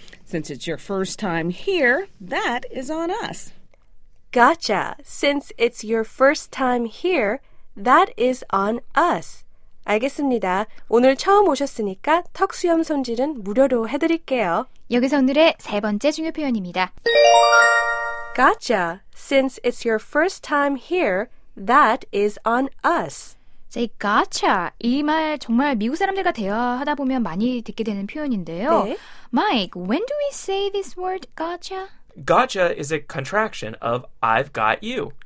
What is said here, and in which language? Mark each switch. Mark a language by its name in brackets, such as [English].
[English] Since it's your first time here, that is on us. Gotcha. Since it's your first time here, that is on us. [Korean] 알겠습니다. 오늘 처음 오셨으니까 턱 수염 손질은 무료로 해드릴게요. 여기서 오늘의 세 번째 중요 표현입니다. [English] Gotcha. Since it's your first time here, that is on us. Say gotcha. [Korean] 이 말 정말 미국 사람들과 대화하다 보면 많이 듣게 되는 표현인데요. 네. [English] Mike, when do we say this word gotcha? Gotcha is a contraction of I've got you.